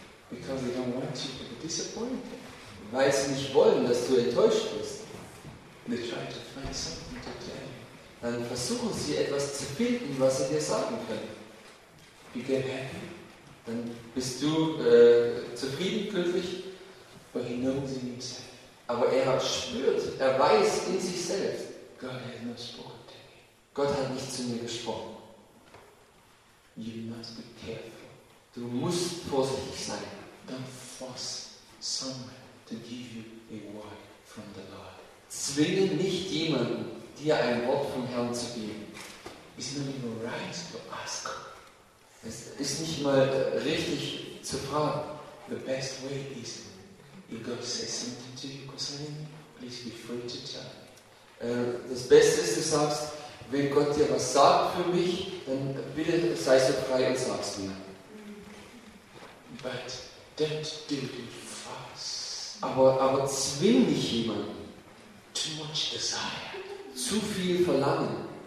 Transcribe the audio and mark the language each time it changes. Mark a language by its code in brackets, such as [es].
[en] Because they don't want you to be disappointed. [de] Weil sie nicht wollen, dass du enttäuscht bist. [en] They try to find something to tell you. [de] Dann versuchen sie etwas zu finden, was sie dir sagen können. [en] You get happy. [de] Dann bist du zufrieden, glücklich. [en] But he knows in himself. [de] Aber er hat spürt, er weiß in sich selbst. [en] God has not spoken to me. [de] Gott hat nicht zu mir gesprochen. [en] You must be careful. [de] Du musst vorsichtig sein. [en] Don't force someone to give you a word from the Lord. [de] Zwinge nicht jemanden, dir ein Wort vom Herrn zu geben. [en] It's not even right to ask. [de] Es ist nicht mal richtig zu fragen. [en] The best way is, if God says something to you concerning, please be free to tell me. [de] Das Beste ist, du sagst, wenn Gott dir was sagt für mich, dann bitte sei so frei und sag's mir. [en] But don't do it fast. [de] Aber zwing nicht jemanden. [en] Too much desire. [de] Zu viel Verlangen.